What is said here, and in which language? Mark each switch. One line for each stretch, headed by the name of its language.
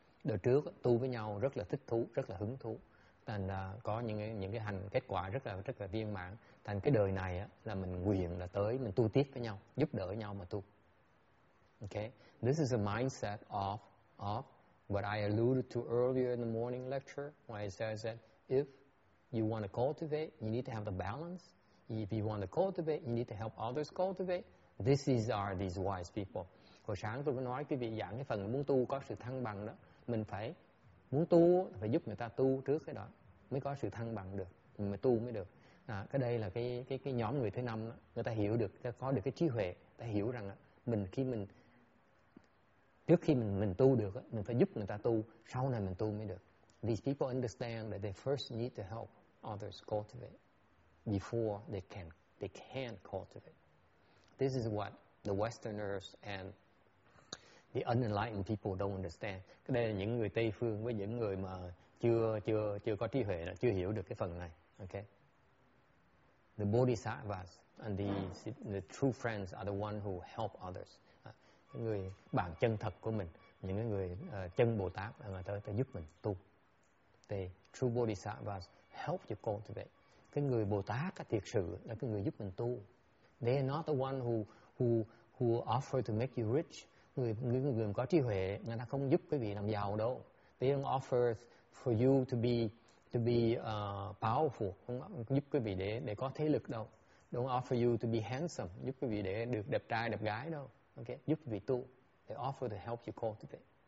Vietnamese: Đời trước tu với nhau rất là thích thú, rất là hứng thú, thành có những cái hành kết quả rất là viên mãn. Thành cái đời này là mình nguyện là tới mình tu tiếp với nhau, giúp đỡ nhau mà tu.
English: Okay, this is a mindset of what I alluded to earlier in the morning lecture, where it says that if you want to cultivate, you need to have the balance. If you want to cultivate, you need to help others cultivate. These are wise people.
Vietnamese: Hồi sáng tôi có nói cái vị giảng cái phần muốn tu có sự thăng bằng đó. Mình phải muốn tu, phải giúp người ta tu trước cái đó mới có sự thăng bằng được, mình mới tu mới được. À, cái đây là cái nhóm người thứ năm đó, người ta hiểu được, có được cái trí huệ, ta hiểu rằng trước khi mình tu được, mình phải giúp người ta tu, sau này mình tu mới được.
English: These people understand that they first need to help others cultivate before they can cultivate. This is what the Westerners and the unenlightened people don't understand.
Vietnamese: Cái đây là những người Tây phương với những người mà chưa có trí huệ đó, chưa hiểu được cái phần này.
English: Okay. The bodhisattvas and the true friends are the one who help others.
Vietnamese: Những người bạn chân thật của mình, những cái người chân Bồ Tát là người tới giúp mình tu.
English: The true bodhisattvas help you cultivate.
Vietnamese: Cái người Bồ Tát thiệt sự là cái người giúp mình tu.
English: They are not the one who offer to make you rich.
Vietnamese: Người có trí huệ, người ta không giúp quý vị làm giàu đâu.
English: They don't offer for you to be powerful,
Vietnamese: không giúp quý vị để có thế lực đâu.
English: Don't offer you to be handsome,
Vietnamese: giúp quý vị để được đẹp trai, đẹp gái đâu.
English: Okay?
Vietnamese: Giúp quý vị tu.
English: They offer to help you cultivate.